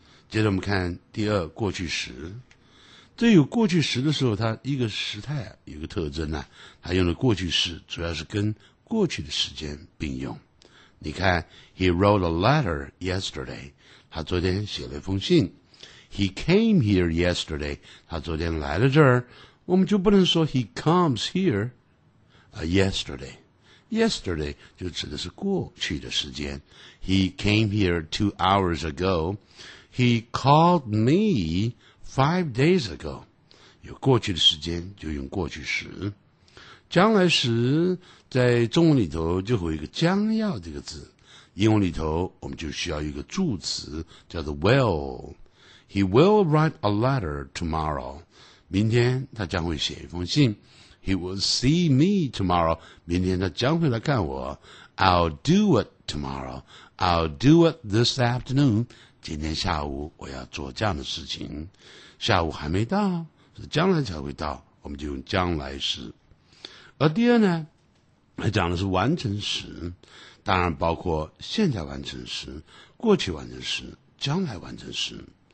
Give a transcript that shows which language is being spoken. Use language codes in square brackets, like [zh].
[zh] 接着我们看第二，过去时。这有过去时的时候，它一个时态有个特征呢，它用的过去式主要是跟过去的时间并用。你看 , [en] He wrote a letter yesterday, [zh] 他昨天写了一封信。 [en] He came here yesterday, [zh] 他昨天来了这儿。我们就不能说 [en] He comes here yesterday。 [zh] Yesterday 就指的是过去的时间。 [en] He came here 2 hours ago. He called me 5 days ago. [zh] 有过去的时间就用过去时。将来时在中文里头就会有一个将要这个字。英文里头我们就需要一个助词叫做 will。 [en] He will write a letter tomorrow. [zh] 明天他将会写一封信。 [en] He will see me tomorrow. [zh] 明天他将会来看我。 [en] I'll do it tomorrow. I'll do it this afternoon. [zh] 今天下午我要做这样的事情。下午还没到，是将来才会到，我们就用将来时。而第二呢，他讲的是完成时，当然包括现在完成时、过去完成时、将来完成时。